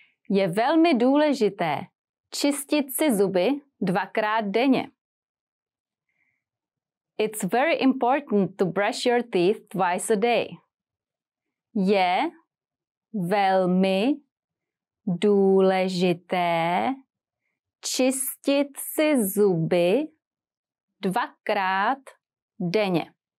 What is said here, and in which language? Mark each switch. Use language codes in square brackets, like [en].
[cs] Je velmi důležité čistit si zuby dvakrát denně. [en] It's very important to brush your teeth twice a day. [cs] Je velmi důležité čistit si zuby dvakrát denně.